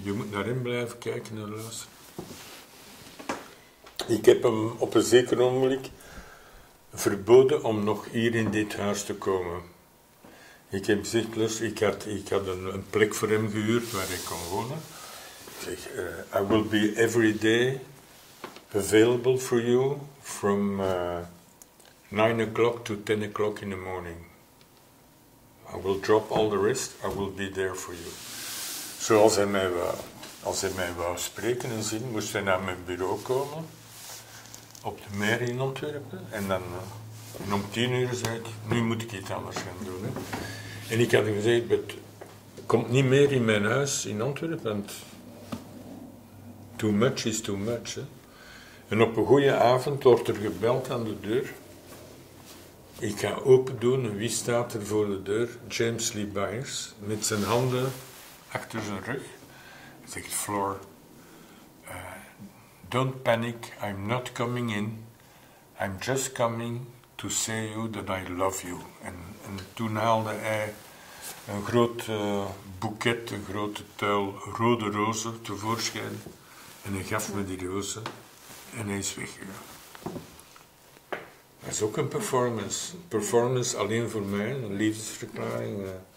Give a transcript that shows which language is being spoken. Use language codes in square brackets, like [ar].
[nl] Je moet naar hem blijven kijken en luisteren. Ik heb hem op een zeker ogenblik verboden om nog hier in dit huis te komen. Ik heb gezegd, ik had een plek voor hem gehuurd waar hij kon wonen. Ik zeg, [en] I will be every day available for you from 9 o'clock to 10 o'clock in the morning. I will drop all the rest, I will be there for you. [nl] Zo, als hij mij wou spreken en zien, moest hij naar mijn bureau komen, op de meer in Antwerpen. En dan om 10 uur zei ik, nu moet ik iets anders gaan doen. Hè. En ik had gezegd, het komt niet meer in mijn huis in Antwerpen, want [en] too much is too much. [nl] Hè. En op een goede avond wordt er gebeld aan de deur. Ik ga open doen en wie staat er voor de deur? James Lee Byers, met zijn handen achter zijn rug. Hij zegt, [en] Floor, don't panic, I'm not coming in. I'm just coming to say you that I love you. [nl] En toen haalde hij een groot boeket, een grote tuil rode rozen tevoorschijn. En hij gaf me die rozen en hij is weggegaan. Dat is ook een performance. Een performance alleen voor mij, een liefdesverklaring.